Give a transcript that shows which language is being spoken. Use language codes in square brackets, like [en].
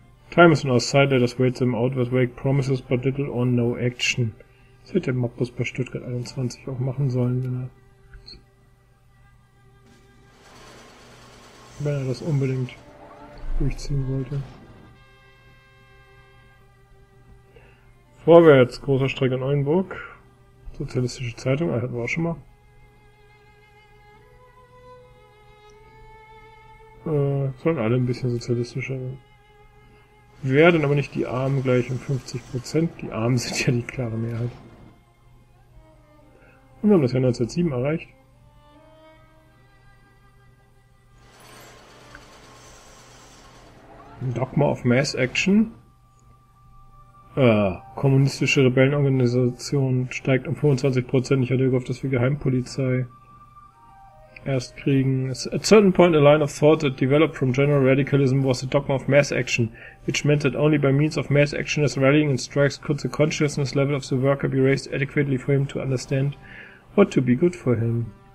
[en] Time is on our side, let us wait them out with vague promises, but little or no action. [de] Das hätte der Mappus bei Stuttgart 21 auch machen sollen, wenn er. Wenn er das unbedingt durchziehen wollte. Vorwärts, großer Streik in Oldenburg. Sozialistische Zeitung, hatten wir auch schon mal. Sollen alle ein bisschen sozialistischer werden. Werden aber nicht die Armen gleich um 50%. Die Armen sind ja die klare Mehrheit. Und wir haben das Jahr 1907 erreicht. [en] Dogma of Mass Action. [de] Kommunistische Rebellenorganisation steigt um 25%. Ich hatte gehofft, dass wir Geheimpolizei erst kriegen. [en] At a certain point, a line of thought that developed from general radicalism was the dogma of mass action, which meant that only by means of mass action as rallying and strikes could the consciousness level of the worker be raised adequately for him to understand what to be good for him.